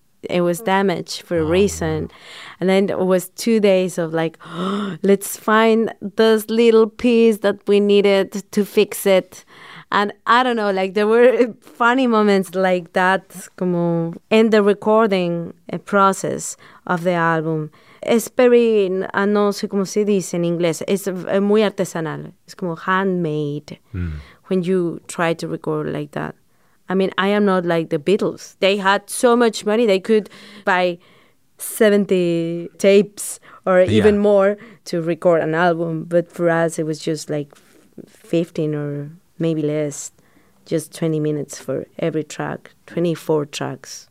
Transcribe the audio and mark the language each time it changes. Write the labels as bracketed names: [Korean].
[English] It was damaged for a reason. Man. And then it was 2 days of like, let's find this little piece that we needed to fix it. And I don't know, like there were funny moments like that como in the recording process of the album. [Spanish] Es very, no sé cómo se dice en inglés, es muy artesanal. [English] It's como handmade when you try to record like that. I mean, I am not like the Beatles. They had so much money, they could buy 70 tapes or even more to record an album. But for us, it was just like 15 or maybe less, just 20 minutes for every track, 24 tracks.